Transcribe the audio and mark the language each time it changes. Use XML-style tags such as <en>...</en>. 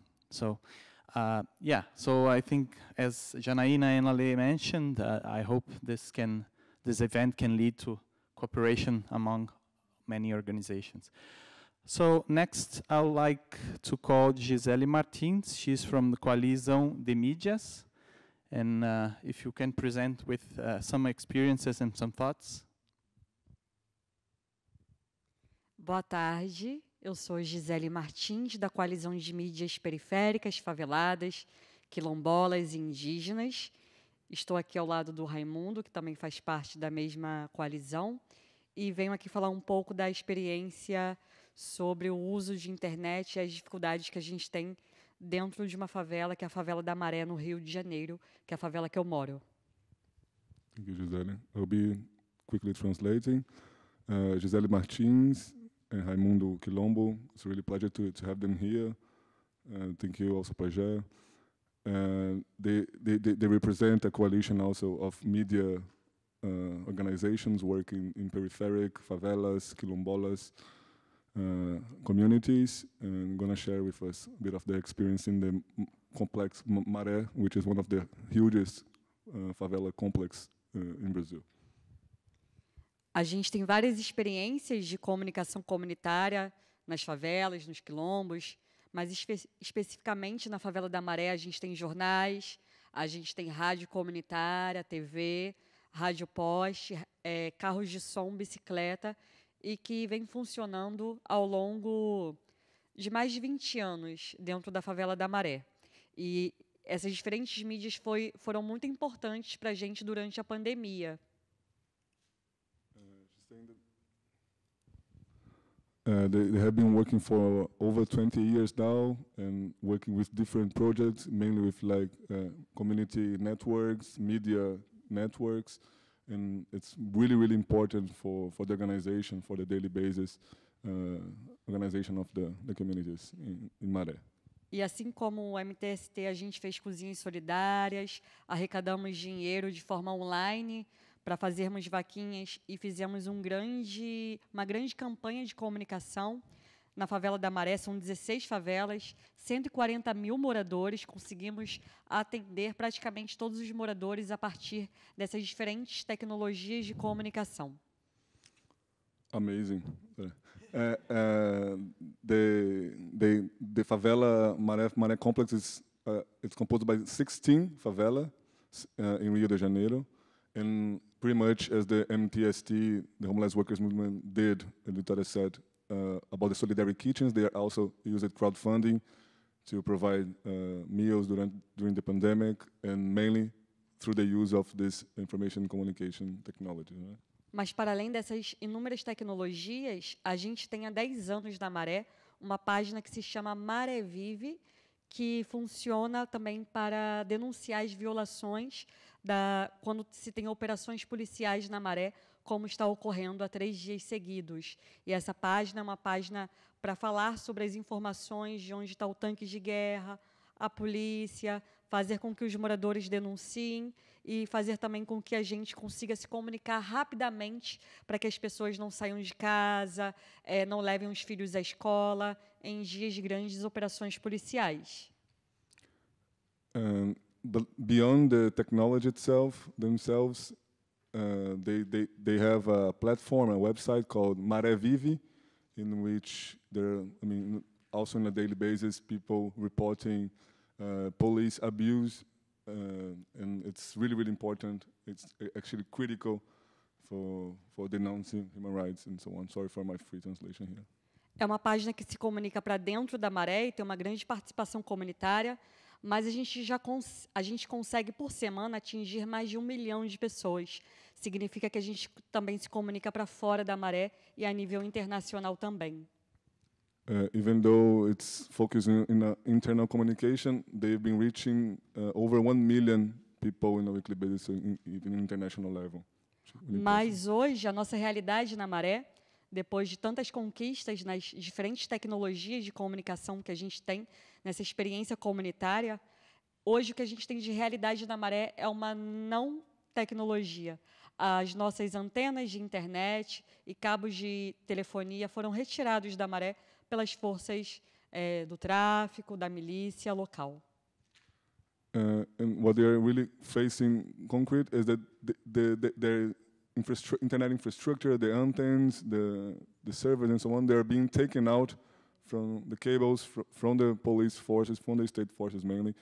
<en>So I think as Janaína and Ale mentioned, I hope this event can lead to cooperation among many organizations. So next, I would like to call Gisele Martins. She's from the Coalizão de Mídias. And if you can present with some experiences and some thoughts.</en> <pt>Boa tarde. Eu sou Gisele Martins, da Coalizão de Mídias Periféricas, Faveladas, Quilombolas e Indígenas. Estou aqui ao lado do Raimundo, que também faz parte da mesma coalizão. E venho aqui falar um pouco da experiência sobre o uso de internet e as dificuldades que a gente tem dentro de uma favela, que é a Favela da Maré, no Rio de Janeiro, que é a favela que eu moro.</pt> <en>Thank you, Gisele. I'll be quickly translating. Gisele Martins and Raimundo Quilombo. It's a really pleasure to have them here. Thank you also, Pajé. They represent a coalition also of media organizations working in peripheric favelas, quilombolas, communities, and gonna share with us a bit of their experience in the complex Maré, which is one of the hugest favela complex in Brazil.</en> <pt>A gente tem várias experiências de comunicação comunitária nas favelas, nos quilombos, mas especificamente na Favela da Maré, a gente tem jornais, a gente tem rádio comunitária, TV, rádio poste, carros de som, bicicleta, e que vem funcionando ao longo de mais de 20 anos dentro da Favela da Maré. E essas diferentes mídias foram muito importantes para a gente durante a pandemia.</pt> <en>They have been working for over 20 years now and working with different projects, mainly with like community networks, media networks. And it's really, really important for the organization, for the daily basis organization of the communities in Maré.</en> <pt>E assim como o MTST, a gente fez cozinhas solidárias, arrecadamos dinheiro de forma online para fazermos vaquinhas e fizemos uma grande campanha de comunicação na Favela da Maré. São 16 favelas, 140 mil moradores. Conseguimos atender praticamente todos os moradores a partir dessas diferentes tecnologias de comunicação.</pt> <en>Amazing. The Favela Maré Complex is composed by 16 favelas in Rio de Janeiro. And pretty much as the MTST, the Homeless Workers Movement, did, as Vitória said, about the Solidarity Kitchens, they are also used crowdfunding to provide meals during the pandemic, and mainly through the use of this information communication technology. Right?</en> <pt>Mas para além dessas inúmeras tecnologias, a gente tem há 10 anos na Maré uma página que se chama Maré Vive, que funciona também para denunciar as violações quando se tem operações policiais na Maré, como está ocorrendo há 3 dias seguidos. E essa página é uma página para falar sobre as informações de onde está o tanque de guerra, a polícia, fazer com que os moradores denunciem e fazer também com que a gente consiga se comunicar rapidamente para que as pessoas não saiam de casa, não levem os filhos à escola em dias de grandes operações policiais.</pt> <en>Beyond the technology itself, themselves, they have a platform, a website called Maré Vive, in which there, I mean, also on a daily basis, people reporting police abuse, and it's really, really important. It's actually critical for denouncing human rights and so on. Sorry for my free translation here.</en> <pt>É uma página que se comunica para dentro da Maré e tem uma grande participação comunitária. Mas a gente consegue, por semana, atingir mais de 1 milhão de pessoas. Significa que a gente também se comunica para fora da Maré e a nível internacional também.</pt> <en>Even though it's focused in internal communication, they've been reaching over 1 million people in a weekly basis, even international level.</en> <pt>Mas hoje, a nossa realidade na Maré, depois de tantas conquistas nas diferentes tecnologias de comunicação que a gente tem, nessa experiência comunitária, hoje o que a gente tem de realidade na Maré é uma não tecnologia. As nossas antenas de internet e cabos de telefonia foram retirados da Maré pelas forças do tráfico, da milícia local.</pt> <en>And what they are really facing concrete is that the internet infrastructure, the antennas, the servers and so on, they're being taken out from the cables, from the police forces, from the state forces mainly.</en>